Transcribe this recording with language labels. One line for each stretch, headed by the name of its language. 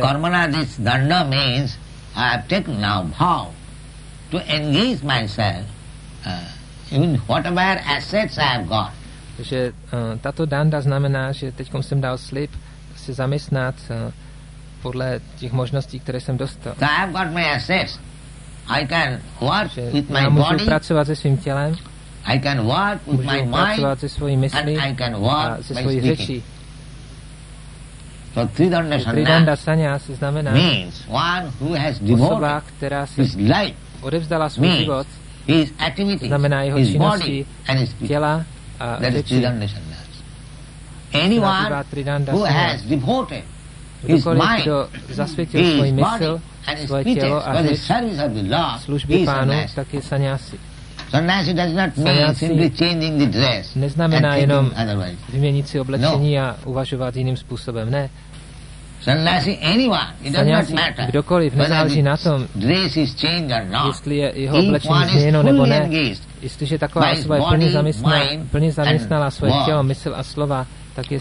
English: So karmana, this danda means, I have taken now vow to engage myself in whatever assets I have got.
Czech: Takže tato danda znamená, že teďkom jsem dal slib se zaměstnat podle těch možností, které jsem dostal.
English: So I have got my assets. I can work with my body.
Czech: Můžu pracovat se svým tělem.
English: I can work with my mind and I can work by speaking.
Czech: Řeči.
English: So Tridanda Sanyas means one who has devoted his life,
Czech: odevzdala svůj
English: means
Czech: život,
English: his activities,
Czech: znamená jeho
English: his
Czech: činnosti,
English: body and his
Czech: těla a řeči.
English: Anyone who Sanyas has devoted his mind,
Czech: zasvětil
English: his
Czech: svůj mysl, svoje tělo a služby pánu, tak je sanyasi.
English: Sanyasi does not mean simply changing the dress.
Czech: Neznamená jenom vyměnit si oblečení a uvažovat jiným způsobem, ne.
English: Sanyasi anyone, it does not matter.
Czech: Kdokoliv, nezáleží na tom,
English: dress is changed or not.
Czech: Jestli je jeho oblečení změněno nebo ne. Jestliže taková osoba je plně zaměstnala svoje tělo, mysl a slova, tak je